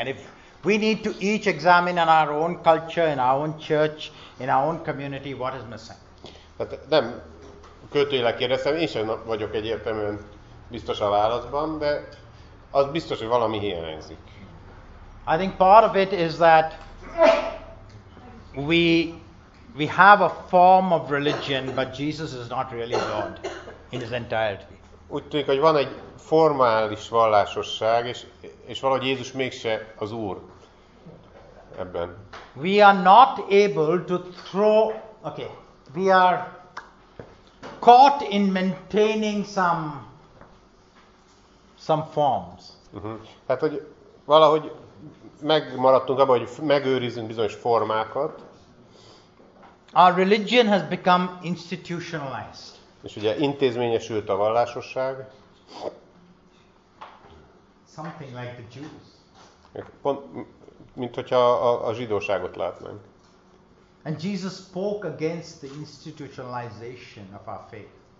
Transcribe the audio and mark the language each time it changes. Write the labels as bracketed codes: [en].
[en] And if we need to each examine in our own culture, in our own church, in our own community, what is missing. [hu] Tehát nem költőileg kérdeztem, én sem vagyok egyértelműen biztos a válaszban, de az biztos, hogy valami hiányzik. [en] I think part of it is that we have a form of religion, but Jesus is not really God in his entirety. [hu] Úgy tűnik, hogy van egy formális vallásosság, és valahogy Jézus mégse az Úr ebben. [en] We are not able to throw... Okay, we are caught in maintaining some forms. Uh-huh. [hu] Hát, hogy valahogy megmaradtunk abban, hogy megőrizünk bizonyos formákat. [en] Our religion has become institutionalized. [hu] És ugye intézményesült a vallásosság. [en] Something like the Jews. [hu] Pont, mint hogyha a zsidóságot látnánk. [en] And Jesus spoke against the institutionalization of our faith.